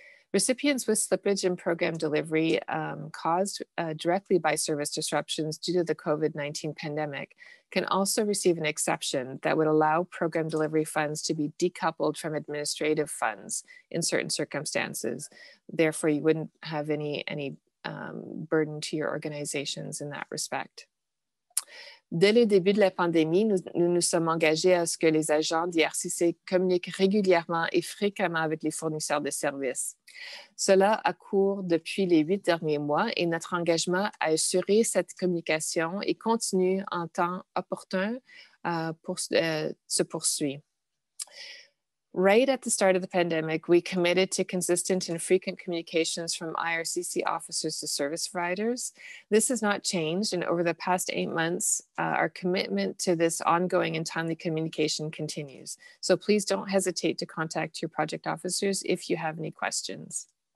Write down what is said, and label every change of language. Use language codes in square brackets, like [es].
[en] Recipients with slippage in program delivery caused directly by service disruptions due to the COVID-19 pandemic can also receive an exception that would allow program delivery funds to be decoupled from administrative funds in certain circumstances. Therefore, you wouldn't have any burden to your organizations in that respect. [fr] Dès le début de la pandémie, nous sommes engagés à ce que les agents d'IRCC communiquent régulièrement et fréquemment avec les fournisseurs de services. Cela a cours depuis les 8 derniers mois et notre engagement à assurer cette communication et continue en temps opportun se poursuit. [en] Right at the start of the pandemic, we committed to consistent and frequent communications from IRCC officers to service providers. This has not changed, and over the past 8 months, our commitment to this ongoing and timely communication continues. So please don't hesitate to contact your project officers if you have any questions.